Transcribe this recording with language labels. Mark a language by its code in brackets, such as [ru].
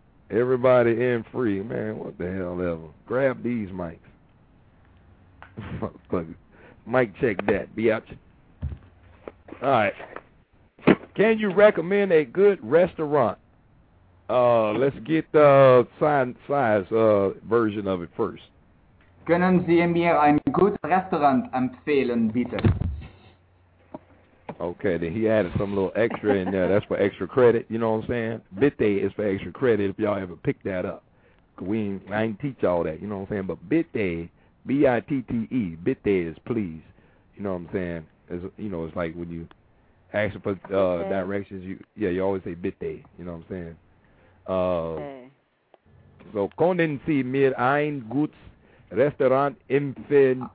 [en] Everybody in free. Man, what the hell ever. Grab these mics. Fuck. Mic check that, biatch. All right. Can you recommend a good restaurant? Let's get the size version of it first. [de] Können Sie mir ein gutes Restaurant empfehlen, bitte? [en] Okay, then he added some little extra in there. That's for extra credit, you know what I'm saying? Bitte is for extra credit if y'all ever pick that up. I ain't teach y'all that, you know what I'm saying? But bitte, B-I-T-T-E, bitte is please. You know what I'm saying? It's, you know, it's like when you ask for directions, you always say bitte. You know what I'm saying? [de] So, können Sie mir ein gutes Restaurant empfehlen?